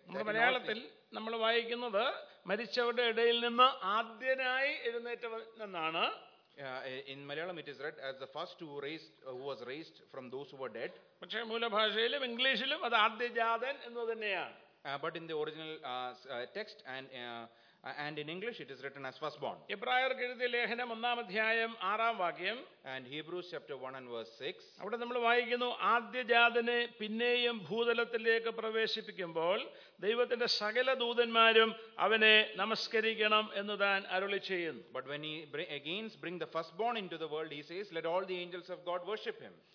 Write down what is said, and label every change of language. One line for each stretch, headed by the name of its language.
Malayalam: മലയാളത്തിൽ നമ്മൾ വായിക്കുന്നത് മരിച്ചവരുടെ ഇടയിൽ നിന്ന് ആദ്യനായി എഴുന്നേറ്റവൻ എന്നാണ്.
English: In Malayalam it is read as the first who raised who was raised from those who were dead.
Malayalam: പക്ഷേ മൂലഭാഷയിലും ഇംഗ്ലീഷിലും അത് ആദ്യജാതൻ എന്ന് തന്നെയാണ്.
English: But in the original text and in English it is written as firstborn.
Malayalam: എബ്രായർ കെഴുതിയ ലേഖനം 1:6.
English: And Hebrews 1:6.
Malayalam: അവിടെ നമ്മൾ വായിക്കുന്നു, ആദ്യജാതനെ പിന്നെയും ഭൂതലത്തിലേക്ക് പ്രവേശിപ്പിക്കുമ്പോൾ ദൈവത്തിന്റെ സകല ദൂതന്മാരും അവനെ നമസ്കരിക്കണം എന്ന് താൻ അരുളി ചെയ്യുന്നു.
English: But when he brings the firstborn into the world, he says, let all the angels of God worship him.